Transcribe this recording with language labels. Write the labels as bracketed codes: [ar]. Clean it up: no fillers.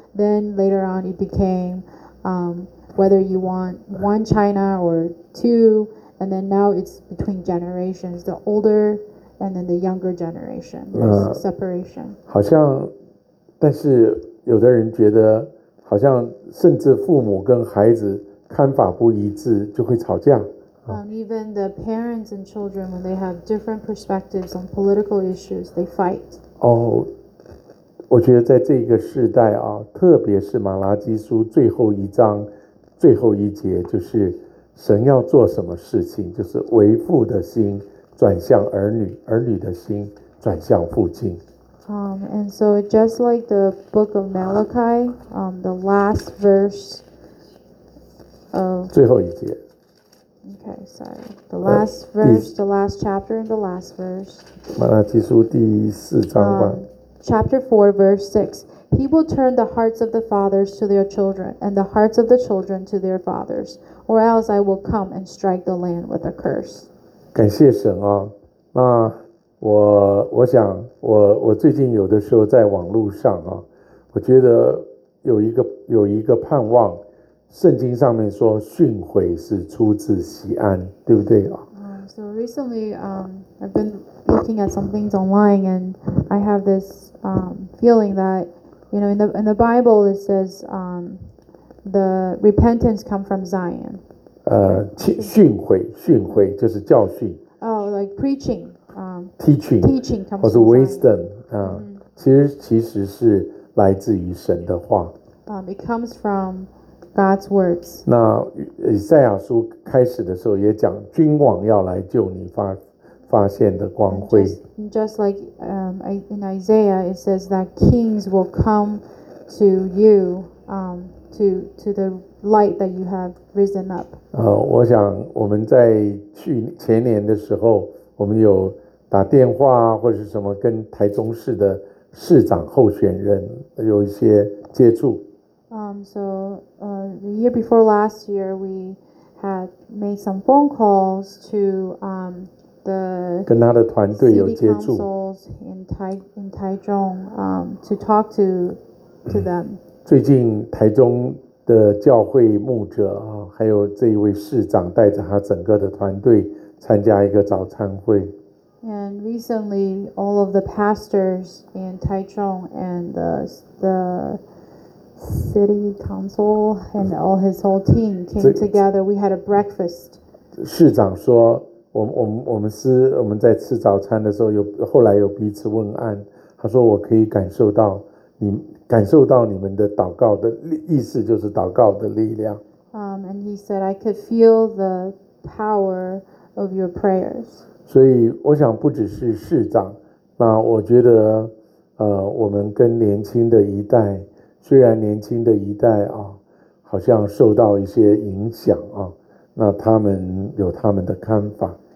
[en] Then later on, it became, whether you want one China or two, and then now it's between generations, the older and then the younger generation, separation. [zh] 好像，但是有的人觉得，好像甚至父母跟孩子看法不一致，就会吵架。 [en] Even the parents and children, when they have different perspectives on political issues, they fight. 哦。 [zh] 我觉得在这个世代啊，特别是马拉基书最后一章最后一节，就是神要做什么事情，就是为父的心转向儿女，儿女的心转向父亲。 [en] And so just like the book of Malachi, the last verse of [zh] 最后一节。 [en] Okay, sorry. The last verse, the last chapter, and the last verse. [zh] 马拉基书第四章吧。 [en] Chapter 4, verse 6. He will turn the hearts of the fathers to their children, and the hearts of the children to their fathers, or else I will come and strike the land with a curse. [zh] 感谢神啊，那我想我最近有的时候在网路上啊，我觉得有一个盼望，圣经上面说训诲是出自锡安，对不对啊？ [en] So recently, I've been looking at some things online, and I have this feeling that, you know, in the Bible it says the repentance comes from Zion. [zh] 训诲就是教训。 [en] Oh, like preaching. Teaching comes from Zion. [zh] 或是 wisdom 其实是来自于神的话。 [en] It comes from God's words. [zh] 那以赛亚书开始的时候也讲君王要来救你发现的光辉。 [en] Just like in Isaiah, it says that kings will come to you, to the light that you have risen up. [zh] 我想我们在前年的时候，我们有打电话或是什么跟台中市的市长候选人有一些接触。 [en] The year before last year, we had made some phone calls to the [zh] 跟他的团队有接触 [en] city councils in Taichung to talk to them. [zh] 最近台中的教会牧者还有这一位市长带着他整个的团队参加一个早餐会。 [en] And recently, all of the pastors in Taichung and the city council and all his whole team came together. We had a breakfast. [zh] 市长说，我们在吃早餐的时候有后来有彼此问安。他说我可以感受到你们的祷告的意思就是祷告的力量。 [en] And he said I could feel the power of your prayers. [zh] 所以我想不只是市长，那我觉得我们跟年轻的一代，虽然年轻的一代好像受到一些影响那他们有他们的看法。